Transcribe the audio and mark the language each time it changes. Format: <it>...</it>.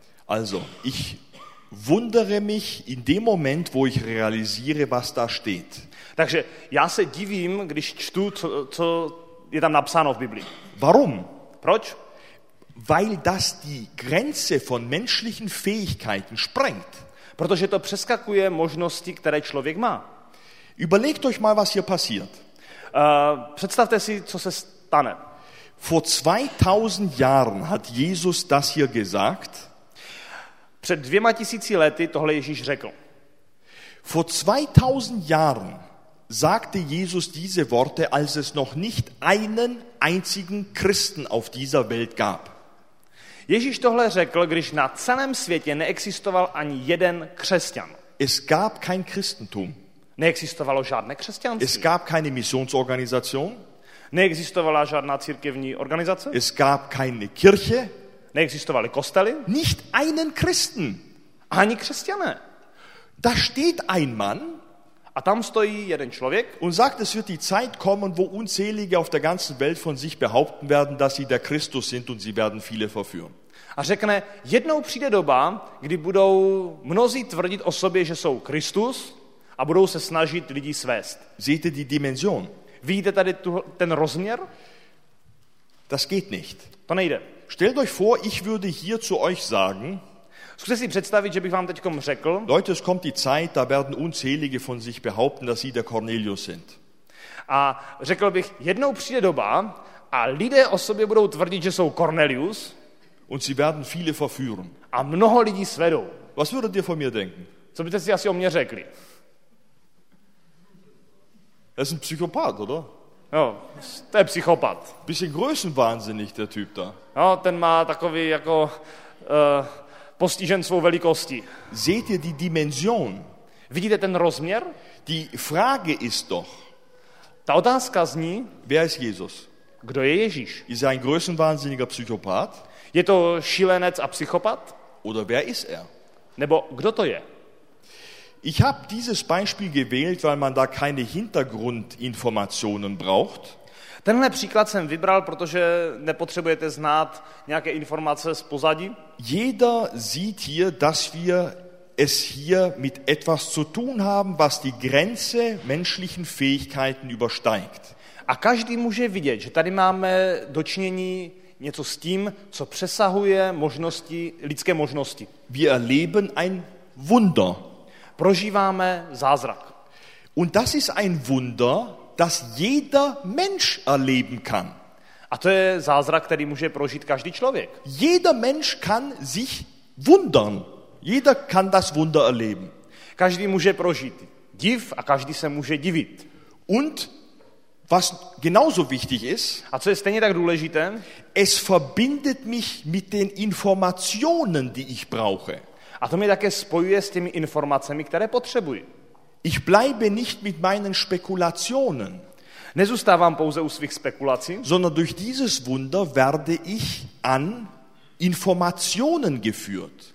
<de>Also, ich wundere mich in dem Moment, wo ich realisiere, was da steht.</de> <cs>Takže já se divím, když čtu, co je tam napsáno v Biblii.</cs> <de>Warum?</de> <cs>Proč?</cs> <de>Weil das die Grenze von menschlichen Fähigkeiten sprengt.</de> <cs>Protože to přeskakuje možnosti, které člověk má.</cs> <de>Überlegt euch mal, was hier passiert.</de> <cs>Představte si, co se stane.</cs> <de>Vor 2000 Jahren hat Jesus das hier gesagt.</de> <cs>Před 2000 lety tohle Ježíš řekl.</cs> <de>Vor 2000 Jahren sagte Jesus diese Worte, als es noch nicht einen einzigen Christen auf dieser Welt gab.</de> <cs>Ježíš tohle řekl, když na celém světě neexistoval ani jeden křesťan.</cs> <de>Es gab kein Christentum.</de> <cs>Neexistovalo žádné křesťanství.</cs> <de>Es gab keine Missionsorganisation.</de> <cs>Neexistovala žádná církevní organizace.</cs> <de>Es gab keine Kirche.</de> <cs>Neexistovaly kostely.</cs> <de>Nicht einen Christen.</de> <cs>Ani křesťané.</cs> <de>Da steht ein Mann.</de> <cs>A tam stojí jeden člověk.</cs> <de>Und sagt, es wird die Zeit kommen, wo unzählige auf der ganzen Welt von sich behaupten werden, dass sie der Christus sind und sie werden viele verführen.</de> <cs>A řekne, jednou přijde doba, kdy budou mnozí tvrdit o sobě, že jsou Kristus, a budou se snažit lidi svést.</cs> <de>Seht ihr die Dimension?</de> <cs>Vidíte tady ten rozměr?</cs> <de>Das geht nicht.</de> <cs>To nejde.</cs> <de>Stellt euch vor, ich würde hier zu euch sagen.</de> <cs>Zkuste si představit, že bych vám teďkom řekl.</cs> <de>Leute, es kommt die Zeit, da werden unzählige von sich behaupten, dass sie der Cornelius sind.</de> <cs>A řekl bych, jednou přijde doba a lidé o sobě budou tvrdit, že jsou Cornelius.</cs> <de>Und sie werden viele verführen.</de> <cs>A mnoho lidí svedou.</cs> <de>Was würdet ihr von mir denken?</de> <cs>Co byste si asi o mě řekli?</cs> <de>Er ist ein Psychopath, oder?</de> <cs>Jo, to je psychopat.</cs> <de>Bisschen größenwahnsinnig, der Typ da.</de> <cs>Jo, ten má takový jako postižen svou velikosti.</cs> <de>Seht ihr die Dimension?</de> <cs>Vidíte ten rozměr?</cs> <de>Die Frage ist doch.</de> <cs>Ta otázka zní.</cs> <de>Wer ist Jesus?</de> <cs>Kdo je Ježíš?</cs> <de>Ist er ein größenwahnsinniger Psychopat?</de> <cs>Je to šílenec a psychopat?</cs> <de>Oder wer ist er?</de> <cs>Nebo kdo to je?</cs> <de>Ich habe dieses Beispiel gewählt, weil man da keine Hintergrundinformationen braucht.</de> <cs>Tenhle příklad jsem vybral, protože nepotřebujete znát nějaké informace z pozadí.</cs> <de>Jeder sieht hier, dass wir es hier mit etwas zu tun haben, was die Grenze menschlichen Fähigkeiten übersteigt.</de> <cs>A každý může vidět, že tady máme dočinění něco s tím, co přesahuje možnosti, lidské možnosti.</cs> <de>Wir erleben ein Wunder.</de> <cs>Prožíváme zázrak.</cs> <de>Und das ist ein Wunder, das jeder Mensch erleben kann.</de> <cs>A to je zázrak, který může prožít každý člověk.</cs> <de>Jeder Mensch kann sich wundern. Jeder kann das Wunder erleben.</de> <cs>Každý může prožít div a každý se může divit.</cs> <de>Und was genauso wichtig ist,</de> <cs>a co je stejně tak důležité,</cs> <de>es verbindet mich mit den Informationen, die ich brauche.</de> <cs>A to mě také spojuje s těmi informacemi, které potřebuji.</cs> <de>Ich bleibe nicht mit meinen Spekulationen.</de> <cs>Nezůstávám pouze u svých spekulací,</cs> <de>sondern durch dieses Wunder werde ich an Informationen geführt.</de>